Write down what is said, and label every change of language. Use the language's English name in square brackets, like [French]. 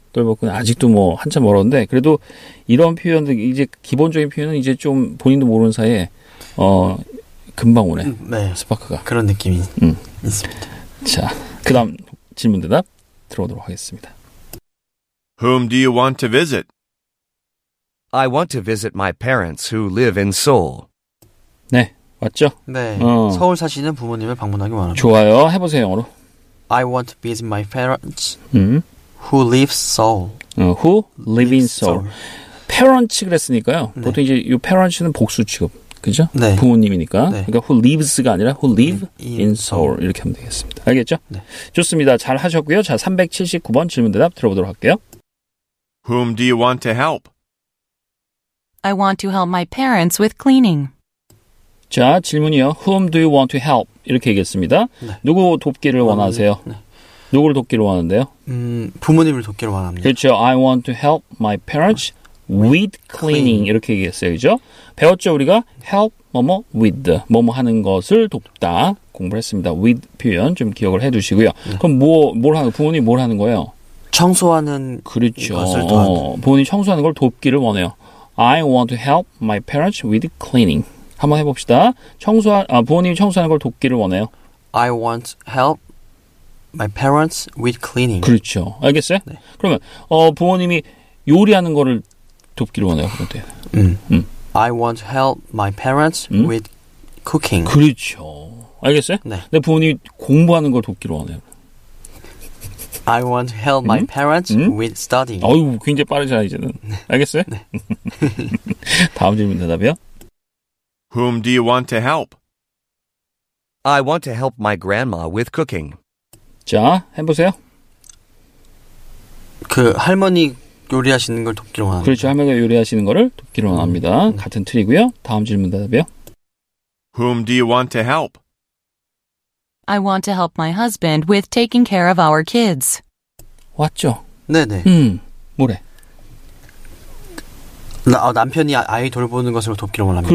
[Korean] 똘벅은 아직도 뭐 한참 멀었는데 그래도 이런 표현들 이제 기본적인 표현은 이제 좀 본인도 모르는 사이에 금방 오네. 네. 스파크가. 그런 느낌이 있습니다. 자, 그 다음 질문 대답 들어오도록 하겠습니다. [English] Whom do you want to visit? I want to visit my parents who live in Seoul. [Korean] 네, 맞죠? 네, 서울 사시는 부모님을 방문하기 원합니다. 좋아요, 해보세요 영어로. [English] I want to visit my parents who live Seoul. Who live in Seoul. Parents [Korean] 그랬으니까요. 네. 보통 이제 이 parents는 복수 취급. 그죠? 네. 부모님이니까. 네. 그러니까 [English] who lives [Korean] 가 아니라 [English] who live in Seoul [Korean] 이렇게 하면 되겠습니다. 알겠죠? 네. 좋습니다. 잘 하셨고요. 자, 379번 질문 대답 들어보도록 할게요. [English] Whom do you want to help? I want to help my parents with cleaning. [Korean] 자, 질문이요. [English] Whom do you want to help? [Korean] 이렇게 얘기했습니다. 네. 누구 돕기를 원하세요? 네. 누구를 돕기를 원하는데요? 부모님을 돕기를 원합니다. 그렇죠. [English] I want to help my parents with cleaning. [Korean] 이렇게 얘기했어요. 그죠? 배웠죠, 우리가? Help, 뭐뭐, with. 뭐뭐 하는 것을 돕다. 공부를 했습니다. With 표현 좀 기억을 해 두시고요. 네. 그럼 뭘 하는, 부모님 뭘 하는 거예요? 청소하는 그렇죠. 것을 도와 부모님 청소하는 걸 돕기를 원해요. [English] I want to help my parents with cleaning. [Korean] 한번 해봅시다. 부모님이 청소하는 걸 돕기를 원해요. [English] I want help my parents with cleaning. [Korean] 그렇죠. 알겠어요? 네. 그러면 부모님이 요리하는 거를 돕기를 원해요. 그런데. [English] I want help my parents with cooking. [Korean] 그렇죠. 알겠어요? 네. 근데 부모님이 공부하는 걸 돕기를 원해요. [English] I want to help my parents with studying. [Korean] 어우, 굉장히 빠르잖아, 이제는. 네. 알겠어요? 네. 다음 질문 대답이요. [English] Whom do you want to help? I want to help my grandma with cooking. [Korean] 자, 해보세요. 그 할머니 요리하시는 걸 돕기로 합니다. 그렇죠, 할머니가 요리하시는 거를 돕기로 합니다. 같은 틀이고요. 다음 질문 대답이요. [English] Whom do you want to help? I want to help my husband with taking care of our kids. [Korean] 왔죠? 네네. 뭐래? 남편이 아이 돌보는 것으로 돕기로 원합니다.